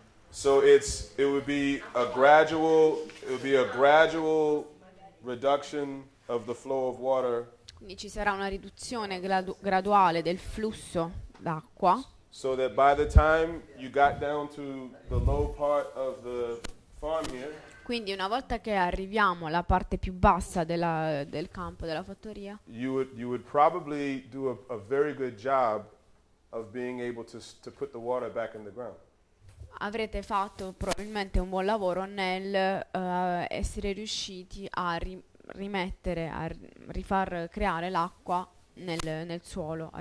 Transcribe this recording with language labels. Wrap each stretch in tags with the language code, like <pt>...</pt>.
<en>So it would be a gradual reduction of the flow of water.</en> <it>Quindi ci sarà una riduzione graduale del flusso d'acqua.</it> <en>So that by the time you got down to the low part of the farm here.</en> <it>Quindi una volta che arriviamo alla parte più bassa del campo della fattoria.</it> <en>You would probably do a very good job of being able to put the water back in the ground.</en> <it>Avrete fatto probabilmente un buon lavoro nel essere riusciti a rifar creare l'acqua nel suolo, a</it>